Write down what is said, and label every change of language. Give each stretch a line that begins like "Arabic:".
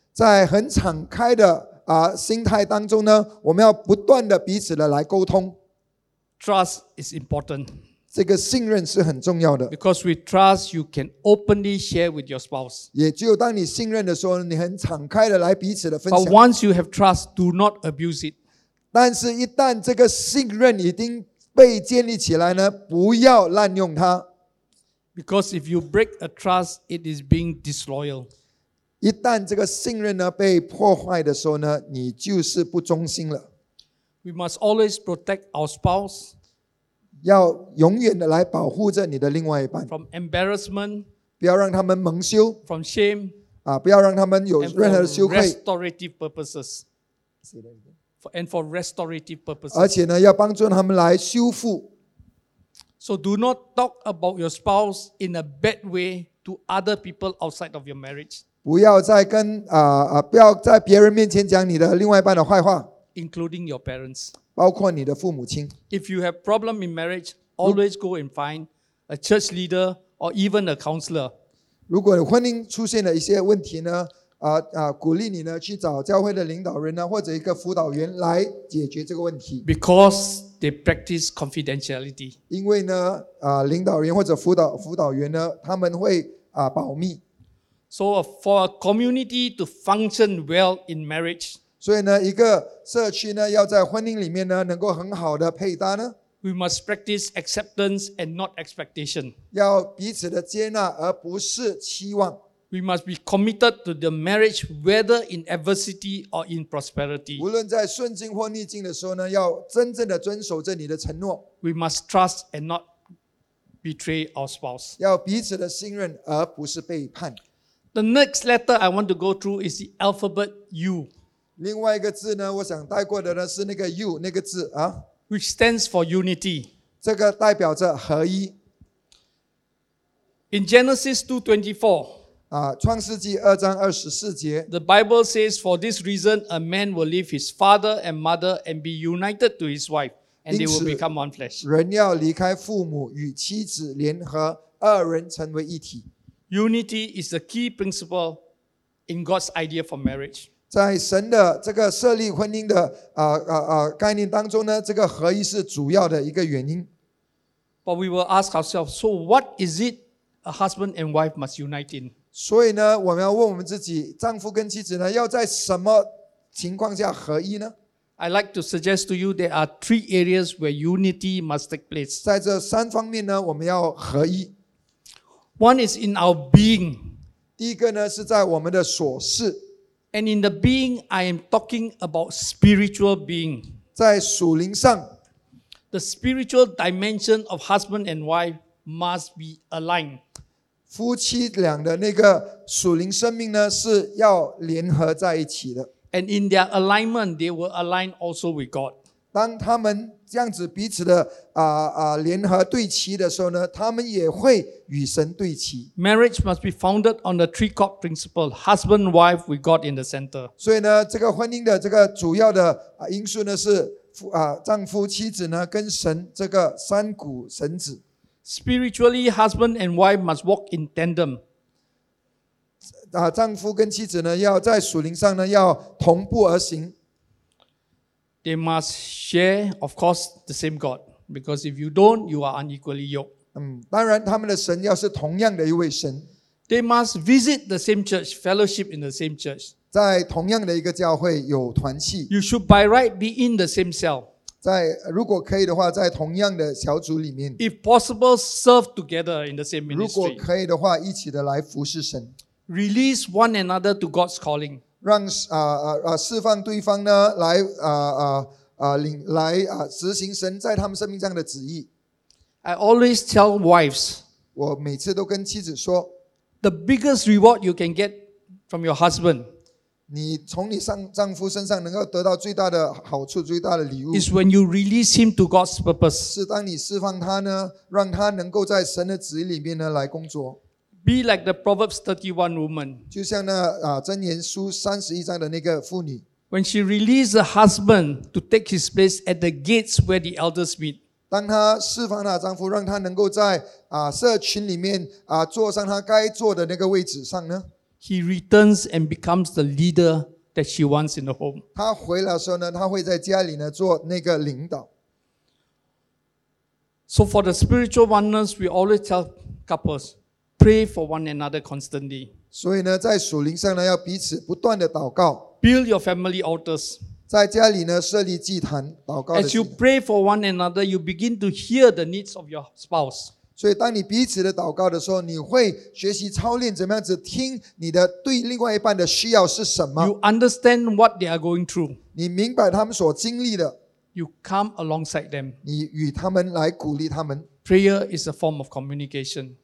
Chinese: 在很敞开的心态当中呢，我们要不断的彼此的来沟通。
English: Trust is important.
Chinese: 这个信任是很重要的。
English: Because with trust, you can openly share with your spouse.
Chinese: 也只有当你信任的时候，你很敞开的来彼此的分享。
English: But once you have trust, do not abuse it.
Chinese: 但是，一旦这个信任已经被建立起来呢，不要滥用它。
English: Because if you break a trust, it is being disloyal.
Chinese: 一旦这个信任呢被破坏的时候呢，你就是不忠心了。
English: We must always protect our spouse，
Chinese: 要永远的来保护着你的另外一半。
English: From embarrassment，
Chinese: 不要让他们蒙羞。
English: From shame，
Chinese: 不要让他们有任何的羞愧。
English: Restorative purposes， and for restorative purposes，
Chinese: 而且呢，要帮助他们来修复。
English: So do not talk about your spouse in a bad way to other people outside of your marriage.
Chinese: 不要再跟不要在别人面前讲你的另外一半的坏话
English: ，including your parents，
Chinese: 包括你的父母亲。
English: If you have problem in marriage, always go and find a church leader or even a counselor.
Chinese: 如果婚姻出现了一些问题呢，鼓励你呢去找教会的领导人呢，或者一个辅导员来解决这个问题。
English: Because they practice confidentiality.
Chinese: 因为呢，领导人或者辅导员呢，他们会保密。
English: So for a community to function well in marriage,
Chinese: 所以呢，一个社区呢，要在婚姻里面呢，能够很好的配搭呢
English: ，we must practice acceptance and not expectation.
Chinese: 要彼此的接纳，而不是期望。
English: We must be committed to the marriage, whether in adversity or in prosperity.
Chinese: 无论在顺境或逆境的时候呢，要真正的遵守着你的承诺。
English: We must trust and not betray our spouse.
Chinese: 要彼此的信任，而不是背叛。
English: The next letter I want to go through is the alphabet U.
Chinese: 另外一个字呢，我想带过的呢是那个 U 那个字
English: Which stands for unity.
Chinese: 这个代表着合一。
English: In Genesis 2:24,
Chinese: 创世纪二章二十四节
English: ，The Bible says, "For this reason, a man will leave his father and mother and be united to his wife, and they will become one flesh."
Chinese: 人要离开父母与妻子联合，二人成为一体。
English: Unity is the key principle in God's idea for marriage.
Chinese: 在神的这个设立婚姻的概念当中呢，这个合一是主要的一个原因。
English: But we will ask ourselves, so what is it a husband and wife must unite in?
Chinese: 所以呢，我们要问我们自己，丈夫跟妻子呢，要在什么情况下合一呢？
English: I'd like to suggest to you there are three areas where unity must take place.
Chinese: 在这三方面呢，我们要合一。
English: One is in our being.
Chinese: 第一个呢，是在我们的所事。
English: And in the being, I am talking about spiritual being.
Chinese: 在属灵上。
English: The spiritual dimension of husband and wife must be aligned.
Chinese: 夫妻俩的那个属灵生命呢，是要联合在一起的。
English: And in their alignment, they will align also with God.
Chinese: 当他们这样子彼此的联合对齐的时候呢，他们也会与神对齐。
English: Marriage must be founded on the three core principle: husband, wife, with God in the center.
Chinese: 所以呢，这个婚姻的这个主要的因素呢是丈夫、妻子呢跟神这个三股绳子。
English: Spiritually, husband and wife must walk in tandem.
Chinese: 丈夫跟妻子呢要在属灵上呢要同步而行。
English: They must share, of course, the same God. Because if you don't, you are unequally yoked.
Chinese: 当然他们的神要是同样的一位神。
English: They must visit the same church, fellowship in the same church.
Chinese: 在同样的一个教会有团契。
English: You should by right be in the same cell.
Chinese: 在如果可以的话，在同样的小组里面。
English: If possible, serve together in the same ministry.
Chinese: 如果可以的话，一起的来服侍神。
English: Release one another to God's calling.
Chinese: 让释放对方呢来执行神在他们生命上的旨意。
English: I always tell wives,
Chinese: 我每次都跟妻子说
English: ，the biggest reward you can get from your husband,
Chinese: 你从你丈夫身上能够得到最大的好处、最大的礼物
English: ，is when you release him to God's purpose.
Chinese: 是当你释放他呢，让他能够在神的旨意里面呢来工作。
English: Be like the Proverbs 31 woman.
Chinese: 就像那箴言书三十一章的那个妇女。
English: When she released her husband to take his place at the gates where the elders meet.
Chinese: 当她释放了丈夫，让他能够在社群里面坐上他该坐的那个位置上呢
English: ？He returns and becomes the leader that she wants in the home.
Chinese: 他回来的时候呢，他会在家里呢做那个领导。
English: So for the spiritual oneness, we always tell couples. Pray for one another constantly.
Chinese: 所以呢，在属灵上呢，要彼此不断的祷告。
English: Build your family altars.
Chinese: 在家里呢，设立祭坛，祷告的祭坛。
English: As you pray for one another, you begin to hear the needs of your spouse.
Chinese: 所以，当你彼此的祷告的时候，你会学习操练怎么样子听你的对另外一半的需要是什么。
English: You understand what they are going through.
Chinese: 你明白他们所经历的。
English: You come alongside them.
Chinese: 你与他们来鼓励他们。
English: Prayer is a form of communication.